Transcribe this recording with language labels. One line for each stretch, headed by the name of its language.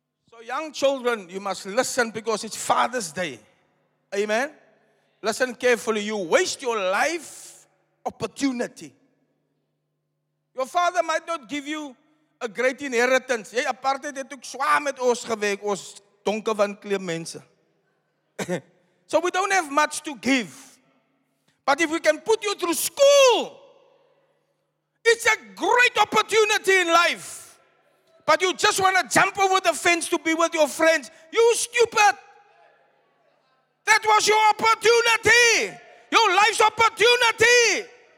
English: So young children, you must listen because it's Father's Day. Amen? Listen carefully. You waste your life opportunity. Your father might not give you a great inheritance.
Afrikaans: Jy apartheid het ook swaar met ons gewerk, ons donker van kleur mense.
English: So we don't have much to give. But if we can put you through school, it's a great opportunity in life. But you just want to jump over the fence to be with your friends. You stupid. That was your opportunity. Your life's opportunity.